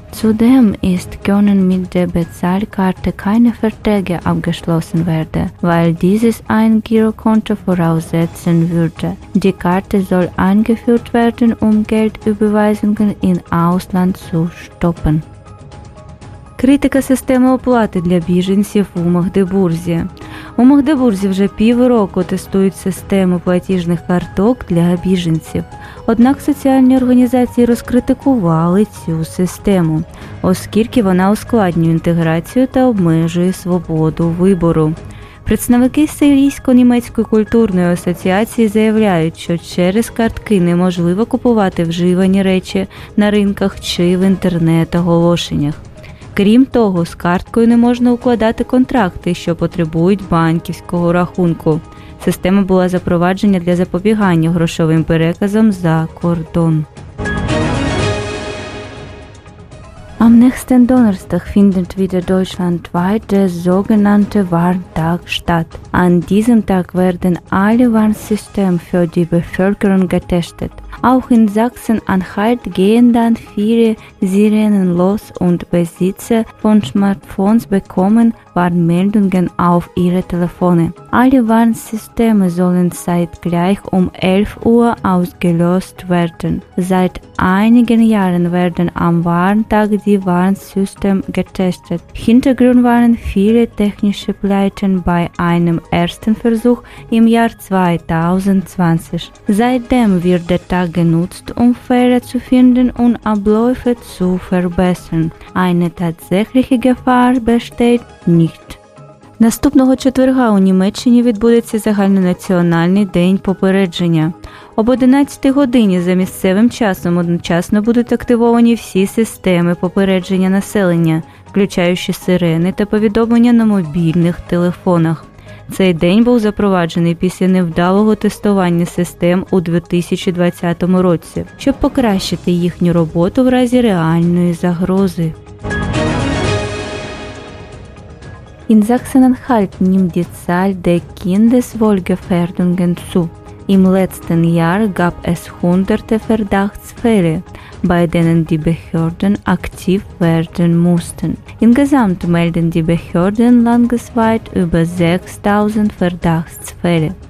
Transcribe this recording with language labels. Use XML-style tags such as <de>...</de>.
<de>Zudem können mit der Bezahlkarte keine Verträge abgeschlossen werden, weil dieses ein Girokonto voraussetzen würde. Die Karte soll eingeführt werden, um Geldüberweisungen im Ausland zu stoppen.</de> <uk>Критика системи оплати для біженців у Магдебурзі. У Магдебурзі вже півроку тестують систему платіжних карток для біженців. Однак соціальні організації розкритикували цю систему, оскільки вона ускладнює інтеграцію та обмежує свободу вибору. Представники Сирійсько-німецької культурної асоціації заявляють, що через картки неможливо купувати вживані речі на ринках чи в інтернет-оголошеннях. Крім того, з карткою не можна укладати контракти, що потребують банківського рахунку. Система була запроваджена для запобігання грошовим переказам за кордон.</uk> <de>Am nächsten Donnerstag findet wieder deutschlandweit der sogenannte Warntag statt. An diesem Tag werden alle Warnsysteme für die Bevölkerung getestet. Auch in Sachsen-Anhalt gehen dann viele Sirenen los und Besitzer von Smartphones bekommen Warnmeldungen auf ihre Telefone. Alle Warnsysteme sollen zeitgleich um 11 Uhr ausgelöst werden. Seit einigen Jahren werden am Warntag die Warnsysteme getestet. Hintergrund waren viele technische Pleiten bei einem ersten Versuch im Jahr 2020. Seitdem wird der Tag genutzt, um Fehler zu finden und Abläufe zu verbessern. Eine tatsächliche Gefahr besteht nicht.</de> <uk>Наступного четверга у Німеччині відбудеться загальнонаціональний день попередження. Об 11 годині за місцевим часом одночасно будуть активовані всі системи попередження населення, включаючи сирени та повідомлення на мобільних телефонах. Цей день був запроваджений після невдалого тестування систем у 2020 році, щоб покращити їхню роботу в разі реальної загрози.</uk> <de>In Sachsen-Anhalt nimmt die Zahl der Kindeswohlgefährdungen zu. Im letzten Jahr gab es hunderte Verdachtsfälle, bei denen die Behörden aktiv werden mussten. Insgesamt melden die Behörden landesweit über 6000 Verdachtsfälle.</de>